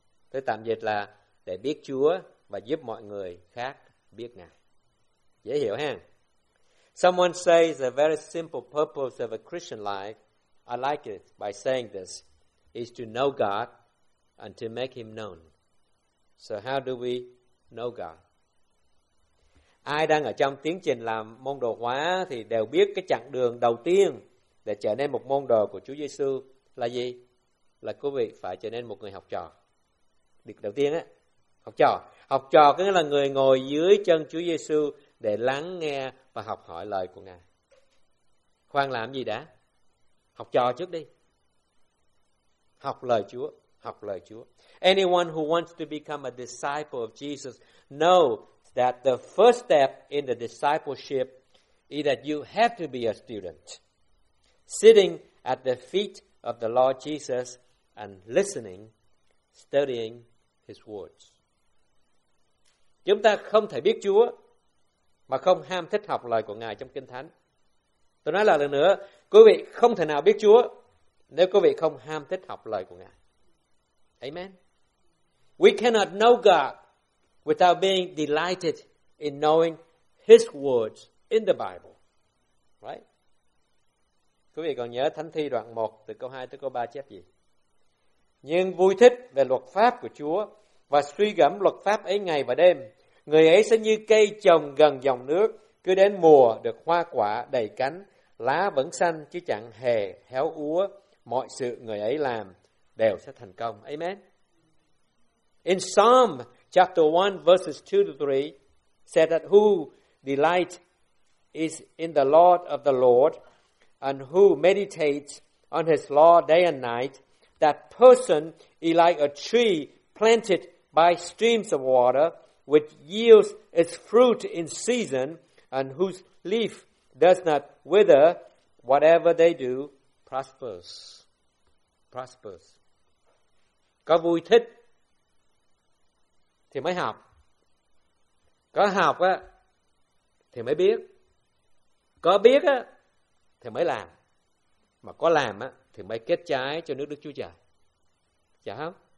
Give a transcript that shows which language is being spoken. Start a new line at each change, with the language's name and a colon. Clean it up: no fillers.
Vietnamese: Tôi tạm dịch là để biết Chúa và giúp mọi người khác biết Ngài. Dễ hiểu ha?
English: Someone says a very simple purpose of a Christian life, I like it by saying this, is to know God and to make him known. So how do we know God?
Vietnamese: Ai đang ở trong tiến trình làm môn đồ hóa thì đều biết cái chặng đường đầu tiên để trở nên một môn đồ của Chúa Giê-xu là gì? Là quý vị phải trở nên một người học trò. Điều đầu tiên á, học trò. Học trò có nghĩa là người ngồi dưới chân Chúa Giê-xu để lắng nghe và học hỏi lời của Ngài. Khoan làm gì đã? Học trò trước đi. Học lời Chúa, học lời Chúa.
English: Anyone who wants to become a disciple of Jesus know that the first step in the discipleship is that you have to be a student, sitting at the feet of the Lord Jesus and listening, studying his words.
Vietnamese: Chúng ta không thể biết Chúa mà không ham thích học lời của Ngài trong Kinh Thánh. Tôi nói lại lần nữa, quý vị không thể nào biết Chúa nếu quý vị không ham thích học lời của Ngài. Amen.
English: We cannot know God without being delighted in knowing his words in the Bible. Right?
Vietnamese: Quý vị còn nhớ Thánh Thi đoạn 1 từ câu 2 tới câu 3 chép gì? Nhưng vui thích về luật pháp của Chúa và suy gẫm luật pháp ấy ngày và đêm, người ấy sẽ như cây trồng gần dòng nước, cứ đến mùa được hoa quả đầy cánh, lá vẫn xanh chứ chẳng hề héo úa. Mọi sự người ấy làm đều sẽ thành công. Amen.
English: In Psalm chapter 1 verses 2 to 3 said that who delight is in the Lord of the Lord and who meditates on his law day and night, that person is like a tree planted by streams of water, which yields its fruit in season and whose leaf does not wither, whatever they do prospers. Prosperous.
Vietnamese: Có vui thích thì mới học, có học á thì mới biết, có biết á thì mới làm, mà có làm á thì mới kết trái cho nước Đức Chúa Trời. Chả không?